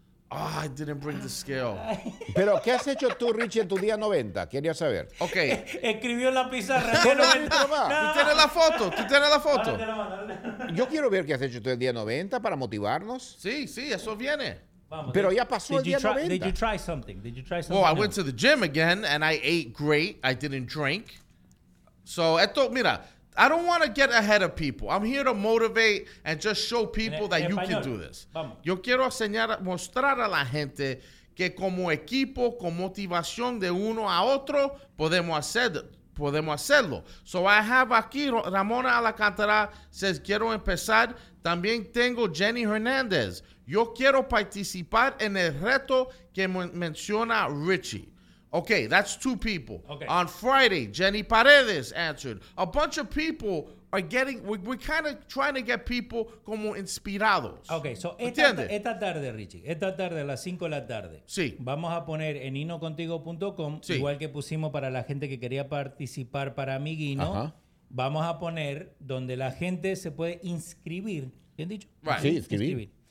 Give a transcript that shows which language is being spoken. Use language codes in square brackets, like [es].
[en] Oh, I didn't bring the scale. [es] Pero, ¿qué has hecho tú, Richie, en tu día 90? Quería saber. Ok. Escribió en la pizarra. No. Tú tienes la foto. Yo quiero ver qué has hecho tú el día 90 para motivarnos. Sí, sí, eso viene. Vamos, pero ya pasó el día 90. [en] Did you try something? Well, I went to the gym again and I ate great. I didn't drink. [es] So, esto, mira, [en] I don't want to get ahead of people. I'm here to motivate and just show people that you can do this. [es] Vamos. Yo quiero enseñar, mostrar a la gente que como equipo, con motivación de uno a otro, podemos hacerlo. [en] So I have aquí Ramona Alacantara says, [es] quiero empezar. También tengo Jenny Hernandez. Yo quiero participar en el reto que menciona Richie. [en] Okay, that's two people. Okay. On Friday, Jenny Paredes answered. A bunch of people are getting, we're kind of trying to get people [es] como inspirados. Okay, so esta tarde, Richie, esta tarde a las 5 de la tarde. Sí. Vamos a poner en inocontigo.com, sí, igual que pusimos para la gente que quería participar para Amiguino. Uh-huh. Vamos a poner donde la gente se puede inscribir. ¿Bien dicho? [en] Right. [es] Sí, inscribir.